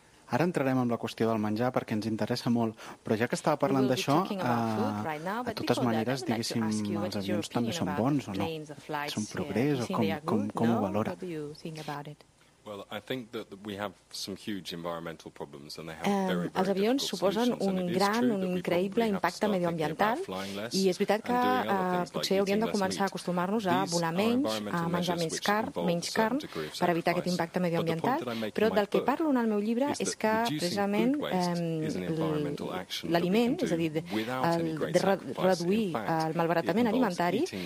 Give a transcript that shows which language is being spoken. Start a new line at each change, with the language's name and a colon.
Catalan: Ara entrarem en la qüestió del menjar perquè ens interessa molt, però ja que estava parlant d'això, de totes maneres, diguéssim, els avions també són bons o no? Són progrés o com ho valora?
English: Well, I think that we have some huge environmental problems and they have
Catalan: els avions suposen un gran, un increïble impacte medioambiental i és veritat que potser hauríem de començar a acostumar-nos a volar menys, a menjar menys carn, per evitar aquest impacte medioambiental, però del que parlo en el meu llibre és que precisament l'aliment, és a dir, reduir el malbaratament alimentari